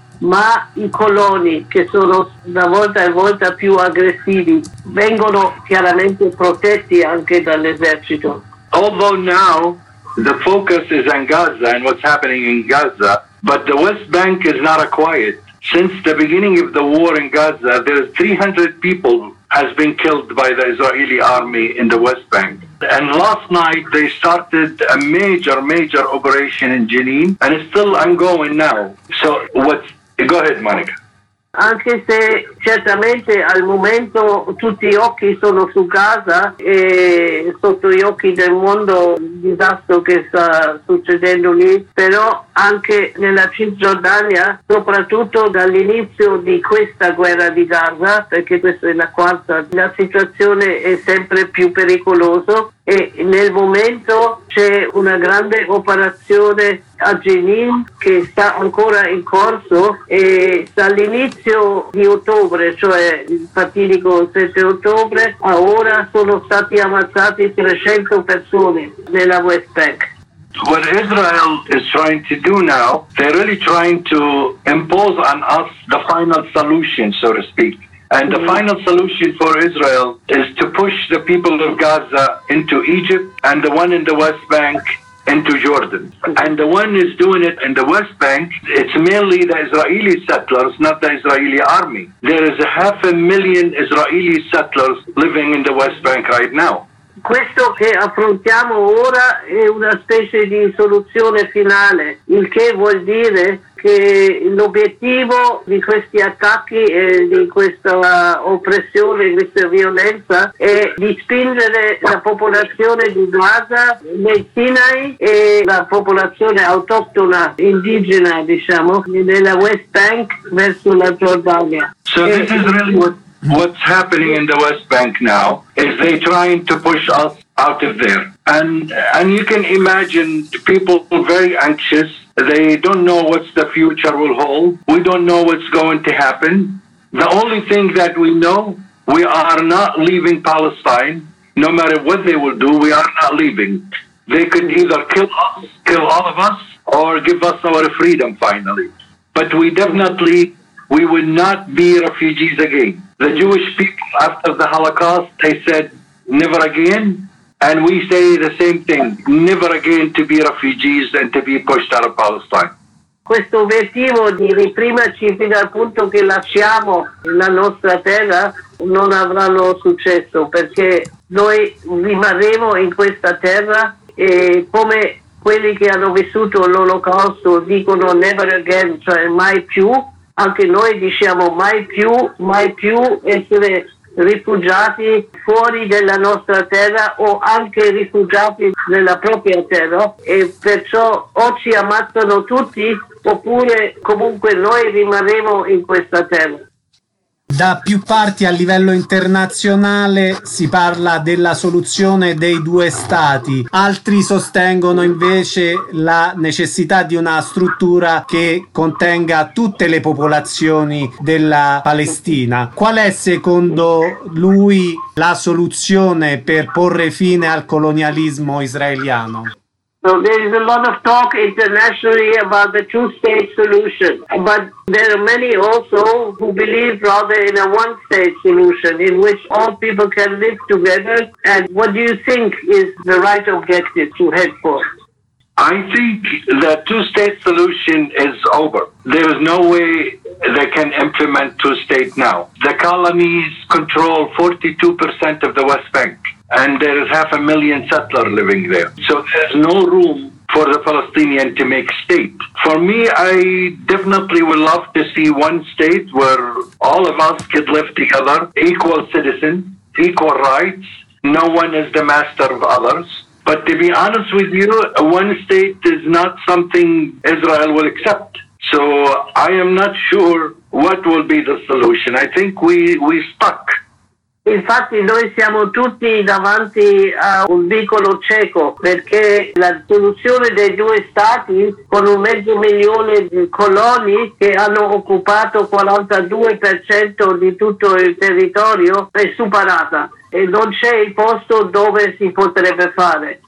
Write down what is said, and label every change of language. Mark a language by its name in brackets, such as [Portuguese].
[Italian] ma i coloni che sono da volta in volta più aggressivi, vengono chiaramente protetti anche dall'esercito. [English] Although now the focus is on Gaza and what's happening in Gaza, But the West Bank is not a quiet. Since the beginning of the war in Gaza, there are 300 people has been killed by the Israeli army in the West Bank. And last night, they started a major, major operation in Jenin, and it's still ongoing now. So what's... Go ahead, Monica. [Italian] Anche se certamente al momento tutti gli occhi sono su Gaza e sotto gli occhi del mondo il disastro che sta succedendo lì, però anche nella Cisgiordania, soprattutto dall'inizio di questa guerra di Gaza, perché questa è la quarta, la situazione è sempre più pericolosa e nel momento c'è una grande operazione a Jenin che sta ancora in corso e dall'inizio di ottobre, cioè il fatidico 7 ottobre, a ora sono stati ammazzati 300 persone nella West Bank. [English] What Israel is trying to do now, they're really trying to impose on us the final solution, so to speak. And the final solution for Israel is to push the people of Gaza into Egypt and the one in the West Bank into Jordan. And the one is doing it in the West Bank, it's mainly the Israeli settlers, not the Israeli army. There is 500,000 Israeli settlers living in the West Bank right now. [Italian] Questo che affrontiamo ora è una specie di soluzione finale, il che vuol dire che l'obiettivo di questi attacchi e di questa oppressione, di questa violenza è di spingere la popolazione di Gaza nei Sinai e la popolazione autoctona indigena, diciamo, nella West Bank verso la Giordania. [English] So this is really what's happening in the West Bank now is they trying to push us out of there. And you can imagine people very anxious. They don't know what the future will hold. We don't know what's going to happen. The only thing that we know, we are not leaving Palestine. No matter what they will do, we are not leaving. They could either kill us, kill all of us, or give us our freedom finally. But we definitely, we will not be refugees again. The Jewish people after the Holocaust, they said, never again. And we say the same thing, never again to be refugees and to be pushed out of Palestine. [Italian] Questo obiettivo di riprimerci fino al punto che lasciamo la nostra terra non avrà successo, perché noi rimarremo in questa terra e come quelli che hanno vissuto l'Olocausto dicono [English] never again, [Italian] cioè mai più, anche noi diciamo mai più essere rifugiati fuori della nostra terra o anche rifugiati nella propria terra, e perciò o ci ammazzano tutti oppure comunque noi rimarremo in questa terra. Da più parti a livello internazionale si parla della soluzione dei due stati, altri sostengono invece la necessità di una struttura che contenga tutte le popolazioni della Palestina. Qual è secondo lui la soluzione per porre fine al colonialismo israeliano? [English] So there is a lot of talk internationally about the two-state solution, but there are many also who believe rather in a one-state solution in which all people can live together. And what do you think is the right objective to head for? I think the two-state solution is over. There is no way they can implement two-state now. The colonies control 42% of the West Bank. And there is 500,000 settlers living there. So there's no room for the Palestinian to make state. For me, I definitely would love to see one state where all of us could live together, equal citizens, equal rights. No one is the master of others. But to be honest with you, one state is not something Israel will accept. So I am not sure what will be the solution. I think we stuck. [Italian] Infatti noi siamo tutti davanti a un vicolo cieco, perché la soluzione dei due stati con 500,000 di coloni che hanno occupato 42% di tutto il territorio è superata e non c'è il posto dove si potrebbe fare.